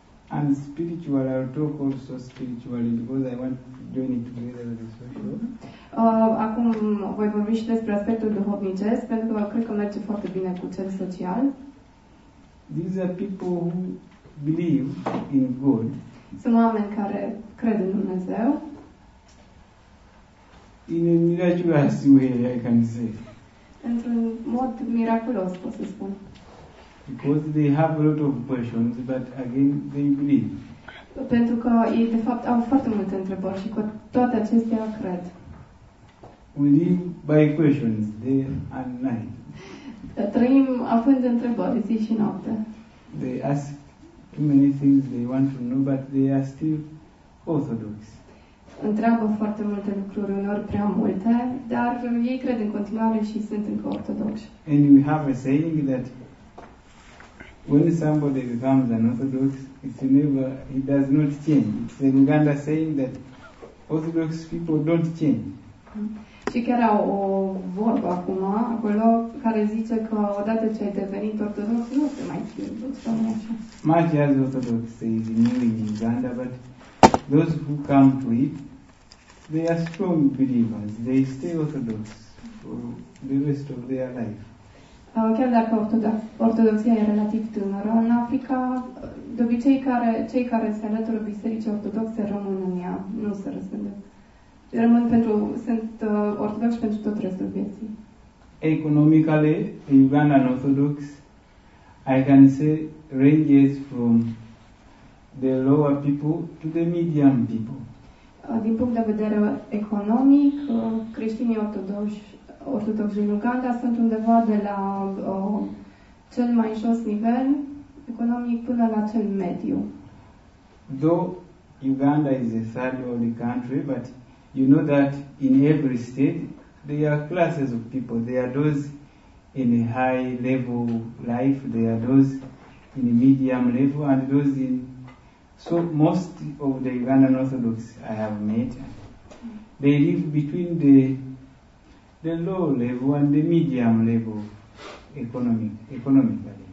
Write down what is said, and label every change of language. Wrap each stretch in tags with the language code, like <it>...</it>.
<en>And spiritual, I'll talk also spiritually because I want to join it together with the social.</en> <ro>Acum voi vorbi și despre aspectul duhovnicesc, pentru că cred că merge foarte bine cu cel social.</ro> <en>These are people who believe in God.</en> <ro>Sunt oameni care cred în Dumnezeu.</ro> <en>In a miraculous way, I can say.</en> <ro>Într-un mod miraculos, pot să spun.</ro> <en>Because they have a lot of questions, but again, they believe.</en> <ro>Pentru că ei, de fapt, au foarte multe întrebări și cu toate acestea cred.</ro> <en>We live by questions day and night.</en> <ro>Trăim având întrebări zi și noapte.</ro> <en>They ask too many things they want to know, but they are still Orthodox.</en> <ro>Întreabă foarte multe lucruri, uneori prea multe, dar ei cred în continuare și sunt încă ortodoxi.</ro> <en>And we have a saying that when somebody becomes an Orthodox, it's never, he does not change. It's a Uganda saying that Orthodox people don't change.</en> <ro>Și chiar au o vorbă acum, acolo, care zice că odată ce ai devenit ortodox, nu te mai schimbi, nu-ți spune așa.</ro> <en>Much as Orthodox is kneeling in Uganda, but those who come to it, they are strong believers. They stay Orthodox for the rest of their life.</en> <ro>Chiar dacă ortodoxia e relativ tânără în Africa, de obicei cei care se alătură bisericii ortodoxe rămân în ea, nu se răspândesc. Rămân pentru, sunt ortodoxi pentru tot restul vieții.</ro> <en>Economically, the Ugandan Orthodox, I can say, ranges from the lower people to the medium people.</en> <ro>Din punct de vedere economic, creștinii ortodoxi din Uganda sunt undeva de la cel mai jos nivel economic până la cel mediu.</ro> <en>Though Uganda is a third world country, but you know that in every state there are classes of people. There are those in a high level life, there are those in a medium level, and those in... So most of the Ugandan Orthodox I have met, they live between the low level and the medium level economically.</en>